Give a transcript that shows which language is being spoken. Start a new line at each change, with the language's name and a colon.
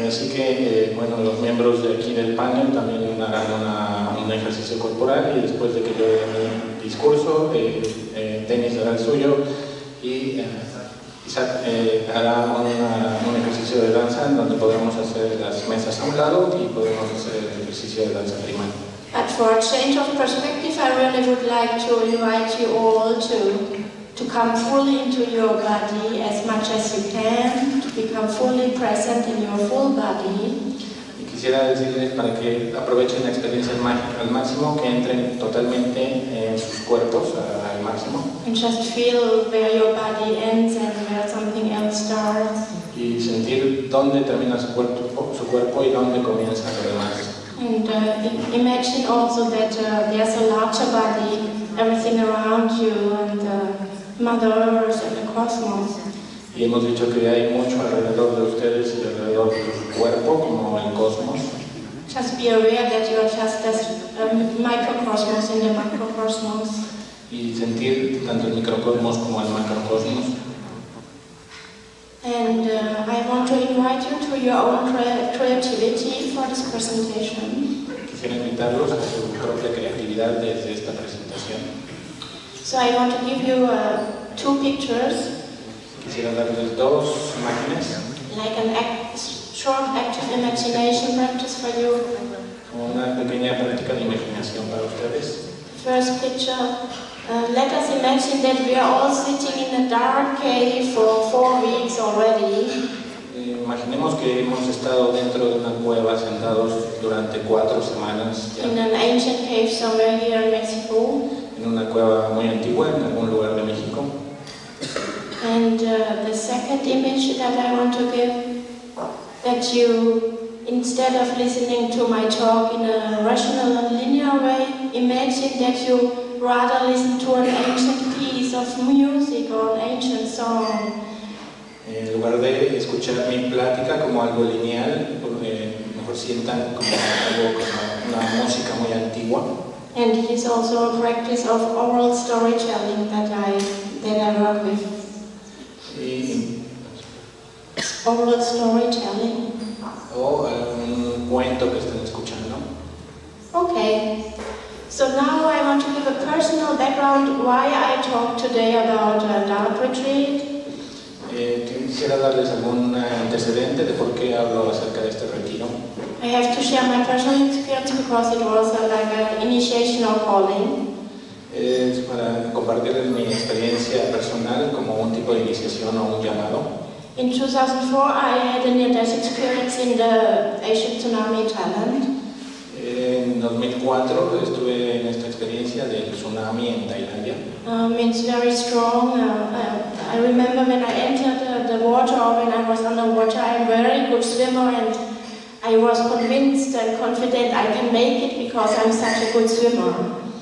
Spanish: Así que, bueno, los miembros de aquí del panel también harán un ejercicio corporal y después de que yo dé mi discurso, Dennis hará el suyo y Isaac hará un ejercicio de danza en donde podremos hacer las mesas a un lado y podremos hacer el ejercicio de danza primal.
English: But for a change of perspective, I really would like to invite you all to come fully into your body as much as you can, to become fully present in your full body.
Spanish: Y quisiera decirles para que aprovechen la experiencia al máximo, que entren totalmente en sus cuerpos al máximo.
English: And just feel where your body ends and where something else starts.
Spanish: Y sentir dónde termina su cuerpo y dónde comienza lo demás.
English: And imagine also that there's a larger body, everything around you, and Mother Earth and the cosmos.
Spanish: Y hemos dicho que hay mucho alrededor de ustedes y alrededor de su cuerpo, como el cosmos.
English: Just be aware that you are just as microcosmos in the macrocosmos.
Spanish: Y sentir tanto el microcosmos como el macrocosmos.
English: And I want to invite you to your own creativity for this presentation.
Spanish: Quisiera invitarlos a su propia creatividad desde esta presentación.
English: So I want to give you two pictures.
Spanish: Quisiera darles dos imágenes.
English: Like an short active imagination practice for you.
Spanish: Como una pequeña práctica de imaginación para ustedes.
English: First picture. Let us imagine that we are all sitting in a dark cave for 4 weeks already.
Spanish: Imaginemos que hemos estado dentro de una cueva sentados durante 4 semanas.
English: Ya. In an ancient cave somewhere here in Mexico.
Spanish: En una cueva muy antigua en algún lugar de México.
English: And the second image that I want to give, that you, instead of listening to my talk in a rational and linear way, imagine that you rather listen to an ancient piece of music or an ancient song.
Spanish: En lugar de escuchar mi plática como algo lineal, mejor sientan como algo como una música muy antigua.
English: And it is also a practice of oral storytelling that I work with.
Spanish: Sí.
English: Oral storytelling.
Spanish: Un cuento que están escuchando.
English: Okay. So now I want to give a personal background why I talk today about a Dharma retreat.
Spanish: Quisiera darles algún antecedente de por qué hablo acerca de este retiro.
English: I have to share my personal experience because it was like an initiation or calling.
Spanish: Es para compartirles mi experiencia personal como un tipo de iniciación o un llamado.
English: In 2004, I had a near-death experience in the Asian tsunami in Thailand.
Spanish: En 2004 estuve en esta experiencia del tsunami en Tailandia.
English: It's very strong. I remember when I entered the water, or when I was underwater, I'm a very good swimmer, and I was convinced and confident I can make it because I'm such a good swimmer.